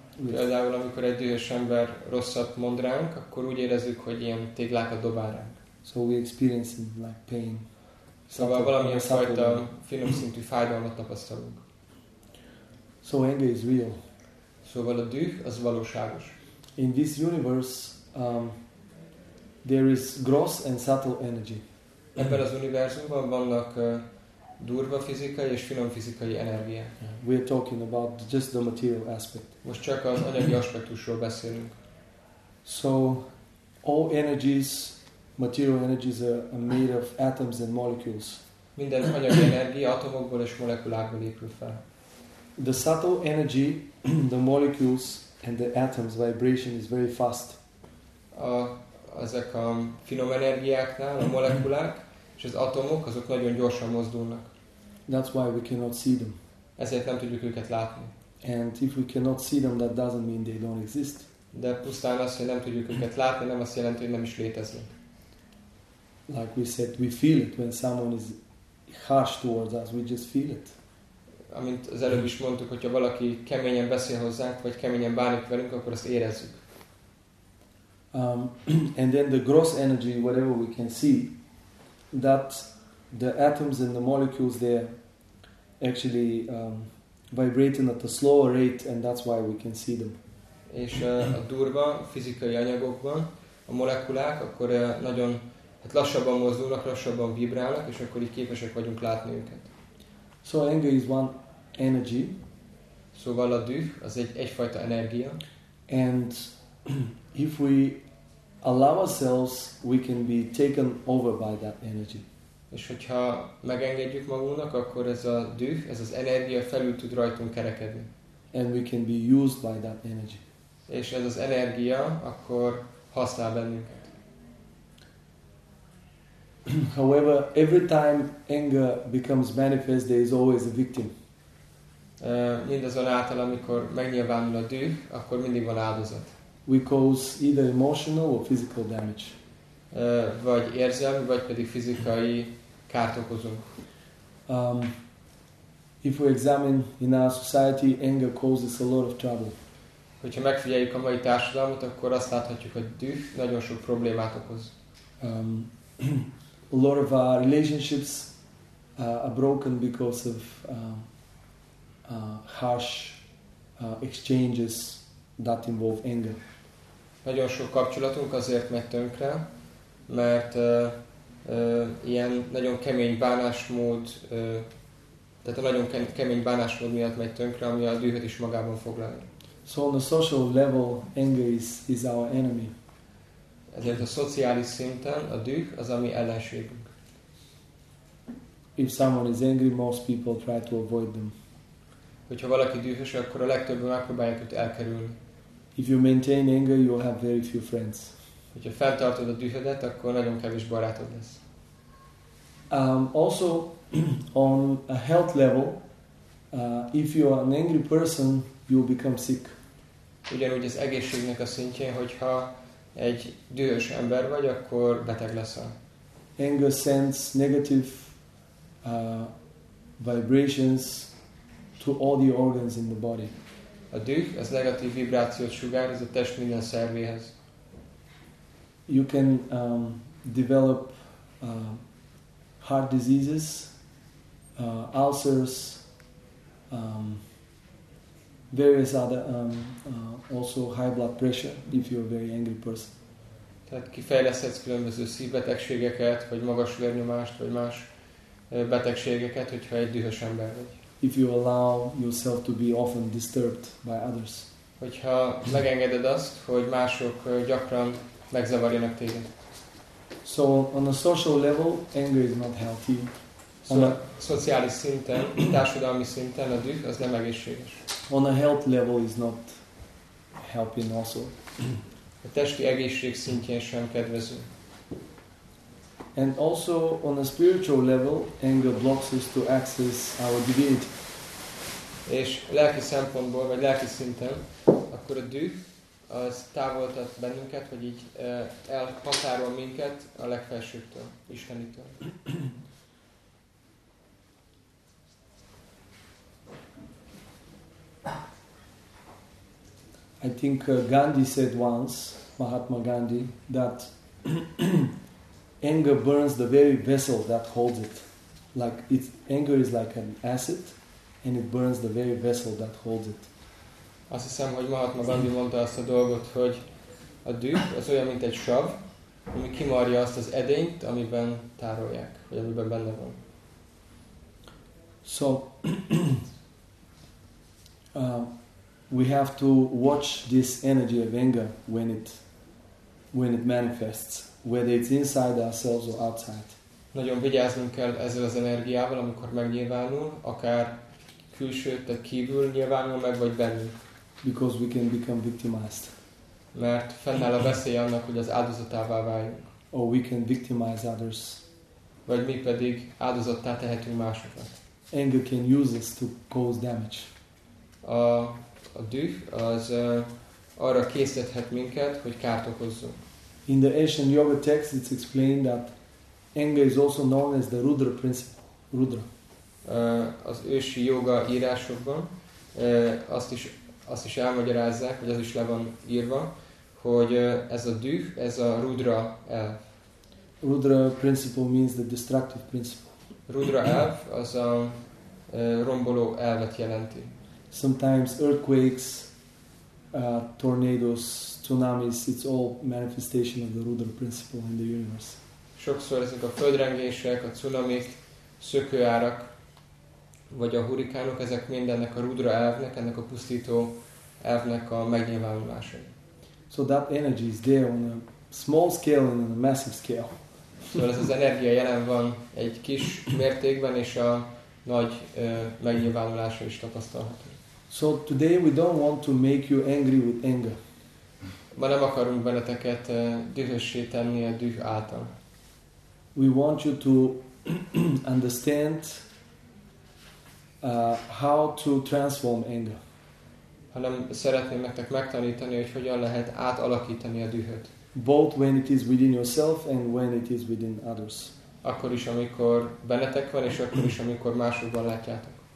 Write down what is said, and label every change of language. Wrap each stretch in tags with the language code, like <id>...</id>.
<hu>Például, amikor egy dühös ember rosszat mond ránk, akkor úgy érezzük, hogy ilyen téglákat dobál ránk.</hu> <en>So we experience like pain.</en> <hu>Szóval valamilyen fajta finom szintű fájdalmat tapasztalunk.</hu> <en>So anger is real.</en> <hu>Szóval a düh az valóságos.</hu> <en>In this universe, there is gross and subtle energy.</en> <hu>Ebben az univerzumban vannak durva fizikai és finom fizikai energia.</hu> <en>We are talking about just the material aspect.</en> <hu>Most csak az anyagi aspektusról beszélünk.</hu> <en>So all energies, material energies are made of atoms and molecules.</en> <hu>Minden anyagi energia atomokból és molekulákból épül fel.</hu> <en>The subtle energy, the molecules and the atoms vibration is very fast.</en> <hu>Ezek a finom energiáknál a molekulák és az atomok, azok nagyon gyorsan mozdulnak.</hu> <en>That's why we cannot see them.</en> <hu>Ezért nem tudjuk őket látni.</hu> <en>And if we cannot see them, that doesn't mean they don't exist.</en> <hu>De pusztán az, hogy nem tudjuk őket látni, nem azt jelenti, hogy nem is léteznek.</hu> <en>Like we said, we feel it when someone is harsh towards us. We just feel it.</en> <hu>Amint az előbb is mondtuk, hogyha valaki keményen beszél hozzánk, vagy keményen bánik velünk, akkor azt érezzük.</hu> <en>And then the gross energy, whatever we can see, that the atoms and the molecules there actually vibrating at a slower rate, and that's why we can see them.</en> <hu>És a durva fizikai anyagokban a molekulák akkor nagyon lassabban mozdulnak, lassabban vibrálnak, és akkor így képesek vagyunk látni őket.</hu> <en>So anger is one energy.</en> <hu>Szóval a düh az egyfajta energia.</hu> <en>And if we allow ourselves, we can be taken over by that energy.</en> <hu>És hogyha megengedjük magunknak, akkor ez a düh, ez az energia felül tud rajtunk kerekedni.</hu> <en>And we can be used by that energy.</en> <hu>És ez az energia akkor használ bennünket.</hu> <en>However, every time anger becomes manifest, there is always a victim.</en> <hu>Mindazonáltal, amikor megnyilvánul a düh, akkor mindig van áldozat.</hu> <en>We cause either emotional or physical damage.</en> <hu>Vagy érzelmi, vagy pedig fizikai kárt okozunk.</hu> <en>If we examine in our society, anger causes a lot of trouble.</en> <hu>Hogyha megfigyeljük a mai társadalmat, akkor azt láthatjuk, hogy düh nagyon sok problémát okoz.</hu> <en>A lot of our relationships are broken because of harsh exchanges that involve anger.</en> <hu>Nagyon sok kapcsolatunk azért megy tönkre, mert ilyen nagyon kemény bánásmód, tehát a nagyon kemény bánásmód miatt megy tönkre, ami a dühöt is magában foglalja.</hu> <en>So on a social level, anger is our enemy.</en> <hu>Ezért a szociális szinten a düh az a mi ellenségünk.</hu> <en>If someone is angry, most people try to avoid them.</en> <hu>Hogyha valaki dühös, akkor a legtöbben megpróbálják őt elkerülni.</hu> <en>If you maintain anger, you'll have very few friends.</en> <hu>Hogyha fenntartod a dühödet, akkor nagyon kevés barátod lesz.</hu> <en>Also, on a health level, if you are an angry person, you'll become sick.</en> <hu>Ugyanúgy az egészségnek a szintjén, hogyha egy dühös ember vagy, akkor beteg leszel.</hu> <en>Anger sends negative vibrations to all the organs in the body.</en> <hu>A düh az negatív vibrációt sugároz a test minden szervéhez.</hu> <en>You can develop heart diseases, ulcers, various other also high blood pressure if you're a very angry person.</en> <hu>Tehát kifejleszhetsz különböző szívbetegségeket, vagy magas vérnyomást, vagy más betegségeket, hogyha egy dühös ember vagy.</hu> <en>If you allow yourself to be often disturbed by others.</en> <hu>Hogyha megengeded azt, hogy mások gyakran megzavarjanak téged.</hu> <en>So on a social level, anger is not healthy.</en> <hu>Szociális szinten, társadalmi szinten a düh az nem egészséges.</hu> <en>On a health level is not helping also.</en> <hu>A testi egészség szintjén sem kedvező.</hu> <en>And also on a spiritual level, anger blocks us to access our divinity.</en> <hu>És lelki szempontból, vagy lelki szinten, akkor a düh az távol tart bennünket, vagy így elhatárol minket a legfelsőbbtől, Istenitől.</hu> <en>I think Gandhi said once, Mahatma Gandhi, that anger burns the very vessel that holds it. Like it's, anger is like an acid, and it burns the very vessel that holds it.</en> <hu>Azt hiszem, hogy Mahatma Gandhi mondta azt a dolgot, hogy a düh az olyan, mint egy sav, ami kimarja azt az edényt, amiben tárolják, vagy amiben benne van.</hu> <en>So, we have to watch this energy of anger when it manifests, whether it's inside ourselves or outside.</en> <hu>Nagyon vigyáznunk kell ezzel az energiával, amikor megnyilvánul, akár külső, tehát kívül nyilvánul meg, vagy bennünk.</hu> <en>Because we can become victimized.</en> <hu>Mert fennáll a veszély annak, hogy az áldozatává váljunk.</hu> <en>Or we can victimize others.</en> <hu>Vagy mi pedig áldozattá tehetünk másokat.</hu> <en>Anger can use us to cause damage.</en> <hu>A düh az arra készíthet minket, hogy kárt okozzunk.</hu> <en>In the ancient yoga text it's explained that anger is also known as the Rudra principle. Rudra.</en> <hu>Az ősi yoga írásokban azt is elmagyarázzák, vagy az is le van írva, hogy ez a düh, ez a Rudra elv.</hu> <en>Rudra principle means the destructive principle.</en> <hu>Rudra elv az a romboló elvet jelenti.</hu> <en>Sometimes earthquakes, tornadoes, tsunamis, it's all manifestation of the Rudra principle in the universe.</en> <hu>Sokszor ezek a földrengések, a tsunamik, szökőárak, vagy a hurikánok, ezek mindennek a Rudra elvnek, ennek a pusztító elvnek a megnyilvánulása.</hu> <en>So that energy is there on a small scale and on a massive scale.</en> <hu>Szóval ez az energia jelen van egy kis mértékben, és a nagy megnyilvánulása is tapasztalható.</hu> <en>So today we don't want to make you angry with anger.</en> <hu>Ma nem akarunk benneteket dühössé tenni a düh által.</hu> <en>We want you to understand how to transform anger.</en> <hu>Hanem szeretném nektek megtanítani, hogy hogyan lehet átalakítani a dühöt.</hu> <en>Both when it is within yourself and when it is within others.</en> <hu>Akkor is, amikor bennetek van, és akkor is, amikor másokban látjátok.</hu>